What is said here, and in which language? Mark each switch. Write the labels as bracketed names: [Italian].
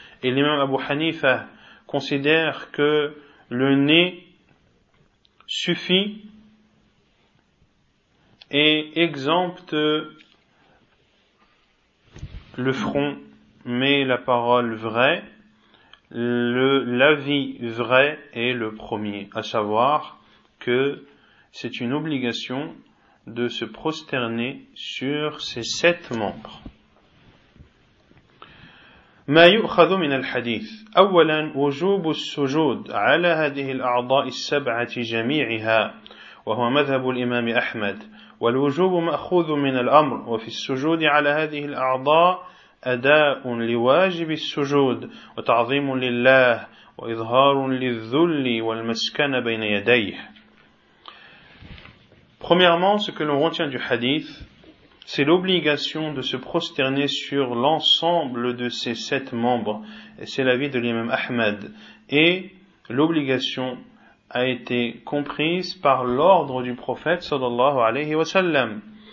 [French] Et l'imam Abu Hanifa considère que le nez suffit et exempte le front, mais la parole vraie, l'avis vrai est le premier, à savoir que c'est une obligation de se prosterner sur ses sept membres. [Arabic] ما يؤخذ من الحديث أولا وجوب السجود على هذه الأعضاء السبعة جميعها وهو مذهب الإمام أحمد والوجوب مأخوذ من الأمر وفي السجود على هذه الأعضاء أداء لواجب السجود وتعظيم لله وإظهار للذل والمسكن بين يديه. [French] Premièrement, ce que l'on retient du hadith, c'est l'obligation de se prosterner sur l'ensemble de ses sept membres. Et c'est l'avis de l'imam Ahmed. Et l'obligation a été comprise par l'ordre du prophète sallallahu alayhi wa sallam.